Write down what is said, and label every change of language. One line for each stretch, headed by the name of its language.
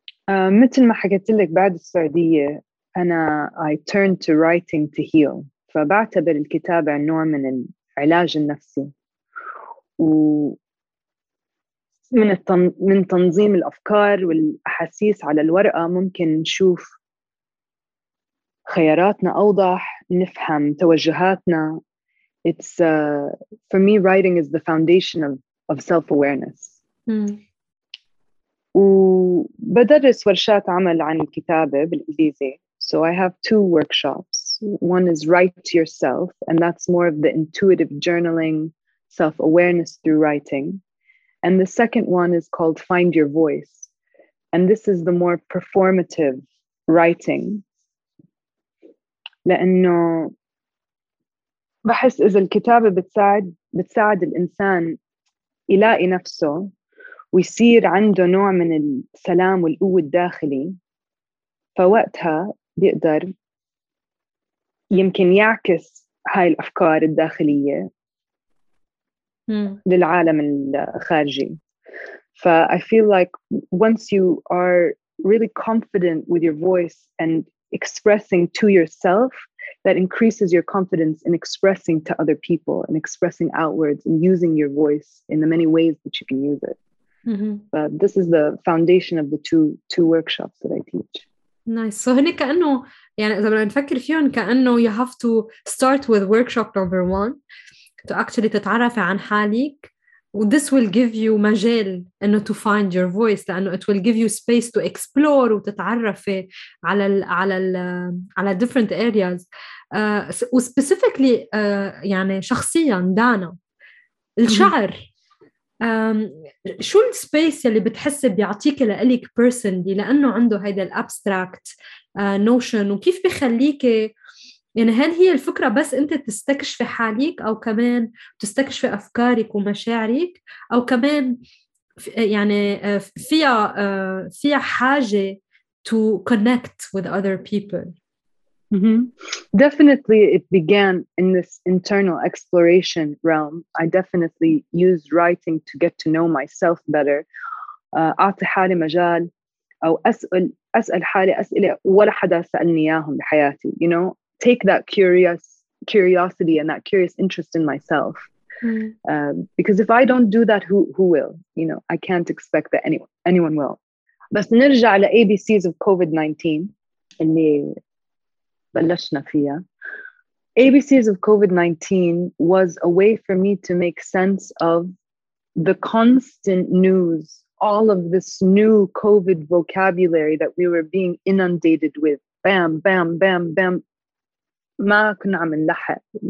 Arabic: مثل ما حكيت لك بعد السعودية أنا
English: I turned to writing to heal,
Arabic: فبعتبر الكتابة نوع من العلاج النفسي ومن من تنظيم الأفكار والأحاسيس على الورقة ممكن نشوف خياراتنا أوضح, نفهم توجهاتنا.
English: It's for me, writing is the foundation of self-awareness.
Arabic: وبدرس ورشات عمل عن الكتابة بالإنجليزي.
English: So I have two workshops. One is Write to Yourself, and that's more of the intuitive journaling, self-awareness through writing. And the second one is called Find Your Voice. And this is the more performative writing.
Arabic: لأنه بحس إذا الكتابة بتساعد الإنسان يلاقي نفسه ويصير عنده نوع من السلام والقوة الداخلي, فوقتها بيقدر يمكن يعكس هاي الأفكار الداخلية للعالم الخارجي.
English: ف I feel like once you are really confident with your voice and expressing to yourself, that increases your confidence in expressing to other people and expressing outwards and using your voice in the many ways that you can use it. Mm-hmm. But this is the foundation of the two workshops that I teach. Nice. So
Arabic: هني كأنه يعني إذا بدنا نفكر فيهن كأنه
English: you have to start with workshop number one to actually
Arabic: تتعرف عن حالك.
English: This will give you
Arabic: مجال إنه
English: to find your voice,
Arabic: لأنه
English: it will give you space to explore
Arabic: وتتعرف على الـ على
English: الـ على different areas.
Arabic: وspecifically يعني شخصيا دانا الشعر شو الـ space اللي بتحس بيعطيك لإلك personally لأنه عنده هيدا الـ
English: abstract notion,
Arabic: وكيف بيخليك يعني هل هي الفكرة بس أنت تستكشف حالك أو كمان تستكشف أفكارك ومشاعرك أو كمان يعني فيها حاجة
English: to connect with other people? Mm-hmm. Definitely it began in this internal exploration realm. I definitely used writing to get to know myself better.
Arabic: أعطي حالي مجال أو أسأل حالي أسئلة ولا حدا سألني إياهم بحياتي,
English: you know, take that curiosity and that curious interest in myself. Because if I don't do that, who will? You know, I can't expect that anyone will.
Arabic: بس نرجع على ABCs of COVID-19 اللي بلشنا فيها.
English: ABCs of COVID-19 was a way for me to make sense of the constant news, all of this new COVID vocabulary that we were being inundated with.
Arabic: Bam, bam, bam, bam. ما كنا عم نلحق.